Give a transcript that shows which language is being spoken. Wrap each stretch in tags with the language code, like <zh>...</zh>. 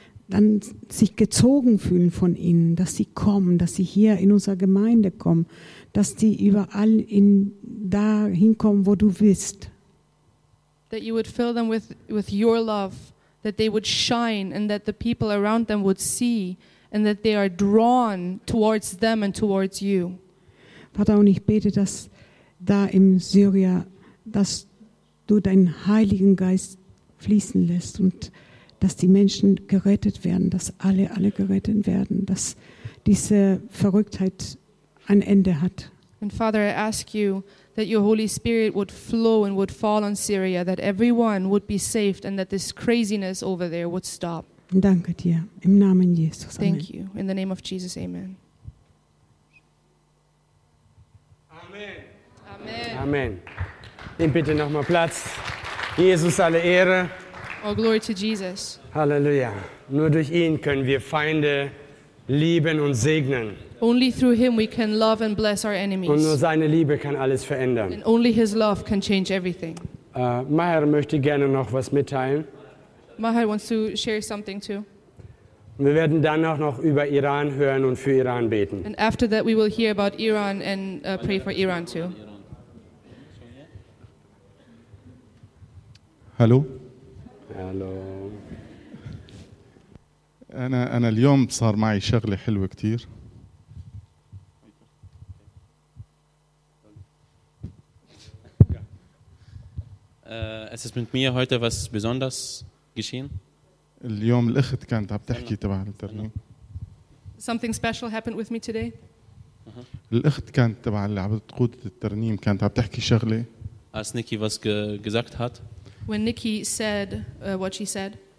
<de>dann sich gezogen fühlen von ihnen, dass sie kommen, dass sie hier in unserer Gemeinde kommen, dass die überall in da hinkommen, wo du bist.</de> <en>That you would fill them with your love, that they would shine and that the people around them would see and that they are drawn towards them and towards you.</en> <de>Vater, und ich bete, dass da in Syrien, dass du deinen Heiligen Geist fließen lässt und dass die Menschen gerettet werden, dass alle gerettet werden, dass diese Verrücktheit ein Ende hat.</de> <en>And Father, I ask you that your Holy Spirit would flow and would fall on Syria, that everyone would be saved and that this craziness over there would stop.</en> <de>Danke dir, im Namen Jesus. Amen.</de> <en>Thank you, in the name of Jesus, amen. Amen. Amen.</en> <de>Amen. Nimm bitte nochmal Platz. Jesus, alle Ehre.</de> <en>All glory to Jesus.</en> <de>Halleluja. Nur durch ihn können wir Feinde lieben und segnen.</de> <en>Only through him we can love and bless our enemies.</en> <de>Und nur seine Liebe kann alles verändern.</de> <en>And only his love can change everything.</en> <de>Maher möchte gerne noch was mitteilen.</de> <en>Maher wants to share something too.</en> <de>Wir werden dann auch noch über Iran hören und für Iran beten.</de> <en>And after that we will hear about Iran and pray for Iran too.</en> <de>Hallo. Hallo.</de> <ar>أنا اليوم صار معي شغلة حلوة كتير.</ar> <de>Es ist mit mir heute was besonders geschehen.</de> <ar>اليوم الأخت كانت عم تحكي تبع الترنيم.</ar> <en>Something special happened with me today.</en> <ar>الأخت كانت تبع اللي عم تقود الترنيم كانت عم تحكي شغلة.</ar> <de>Als Nikki was gesagt hat.</de> <en>When Nikki said what she said.</en>